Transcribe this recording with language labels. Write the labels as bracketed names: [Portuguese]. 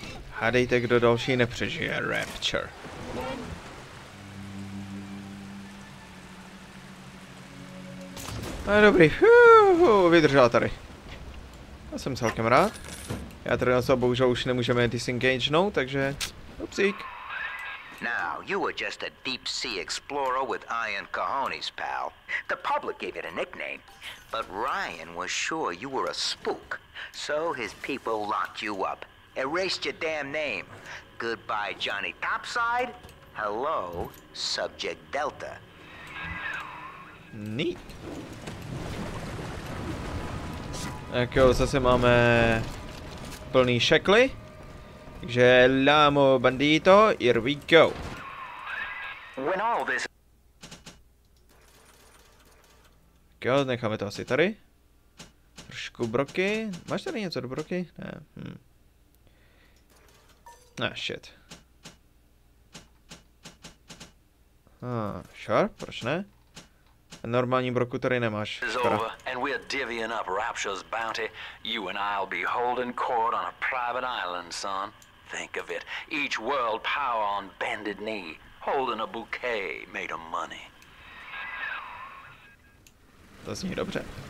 [Czech] Hádejte, kdo další nepřežije Rapture. A dobrý, vydržela tady. Já jsem celkem rád. Já tady na to bohužel už nemůžeme disengage, no, takže... Upsík. [English] Now, you were just a deep sea explorer with iron cojones, pal. The public gave it a nickname. But Ryan was sure you were a spook. So his people locked you up. Erased your damn name. Goodbye, Johnny Topside. Hello, Subject Delta. Neat. [Czech] Tak jo, zase máme plný šekly. Takže lámo bandito, [English] here we go. When all this... [Czech] Tak jo, necháme to asi tady. Trošku broky. Máš tady něco do broky? Ne. [English] Ah, shit. [Czech] Sharp, proč ne? Normální broku tady nemáš. [English] It's over, and we're divvying up Rapture's bounty. You and I'll be holding court on a private island, son. Think of it. Each world power on bended knee, holding a bouquet made of money. [Czech] To zní dobře.